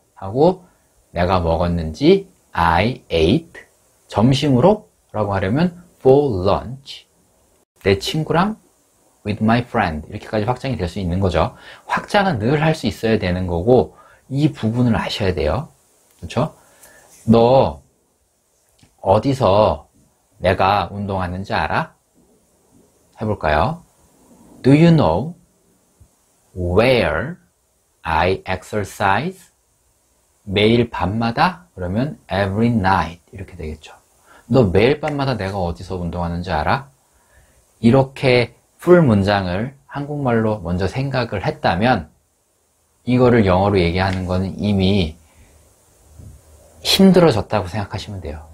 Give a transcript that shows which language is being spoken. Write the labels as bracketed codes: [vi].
[ko] 하고 내가 먹었는지 [en] I ate [ko] 점심으로 라고 하려면 [en] for lunch [ko] 내 친구랑 [en] with my friend [ko] 이렇게까지 확장이 될수 있는 거죠. 확장은 늘할수 있어야 되는 거고 이 부분을 아셔야 돼요. 그렇죠? 너 어디서 내가 운동하는지 알아? 해볼까요? [en] Do you know where I exercise? [ko] 매일 밤마다? 그러면 [en] every night [ko] 이렇게 되겠죠. 너 매일 밤마다 내가 어디서 운동하는지 알아? 이렇게 풀 문장을 한국말로 먼저 생각을 했다면 이거를 영어로 얘기하는 거는 이미 힘들어졌다고 생각하시면 돼요.